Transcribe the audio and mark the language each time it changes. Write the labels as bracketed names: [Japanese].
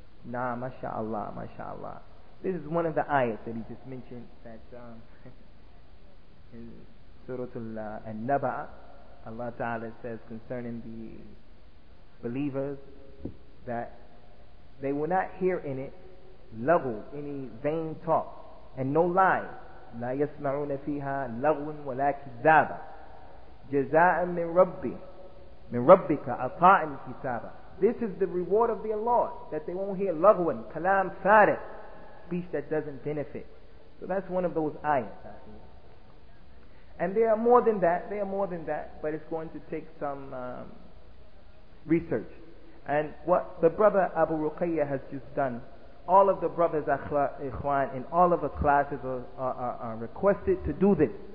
[English] Naam, mashallah, mashallah. This is one of the ayahs that he just mentioned that in Suratul An-Naba, Allah Ta'ala says concerning the believers that they will not hear in it lagu, any vain talk. And no lie. [Arabic] لا يسمعون فيها لغو ولا كذاب جزاء من ربي من ربك عطاء حسابا. [English] This is the reward of their Lord, that they won't hear [Arabic] لغو كلام فارغ, [English] speech that doesn't benefit. So that's one of those ayahs. And there are more than that. There are more than that, but it's going to take some research. And what the brother Abu Ruqayyah has just done, all of the brothers ikhwan in all of the classes are requested to do this.